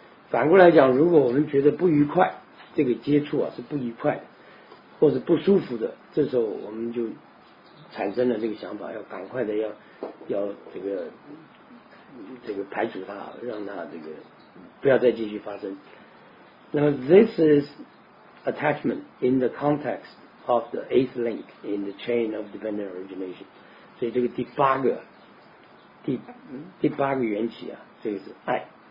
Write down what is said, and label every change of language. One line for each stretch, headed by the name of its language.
Chinese: 反过来讲，如果我们觉得不愉快，这个接触啊是不愉快的或者不舒服的，这时候我们就产生了这个想法，要赶快的要这个排除它，让它这个不要再继续发生。
English: Now this is attachment in the context of the eighth link in the chain of dependent origination.
Chinese: 所以这个第八个缘起啊，这个是爱。